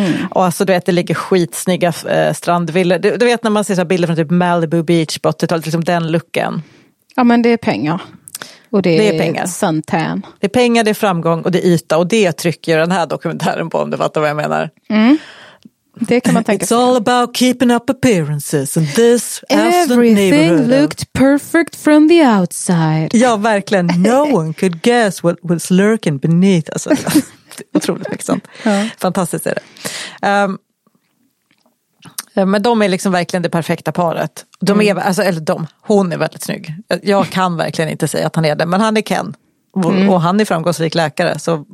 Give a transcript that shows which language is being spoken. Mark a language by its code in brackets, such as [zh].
[sv] Och alltså du vet, det ligger skitsnygga strandvillor. Du vet när man ser så här bilder från typ Malibu Beach, Botetal, liksom den looken. Ja, men det är pengar. Och det är pengar. Suntan. Det är pengar, det är framgång och det är yta. Och det trycker den här dokumentären på, om du fattar vad jag menar. Det kan man tänka [en] It's all about keeping up appearances and this Everything looked perfect from the outside. [sv] Ja, verkligen. [en] No one could guess what was lurking beneath. [sv] Alltså, otroligt liksom. Ja. Fantastiskt är det. Men de är liksom verkligen det perfekta paret. De är, alltså, eller de, hon är väldigt snygg. Jag kan verkligen inte säga att han är det, men han är Ken. Och han är framgångsrik läkare. Så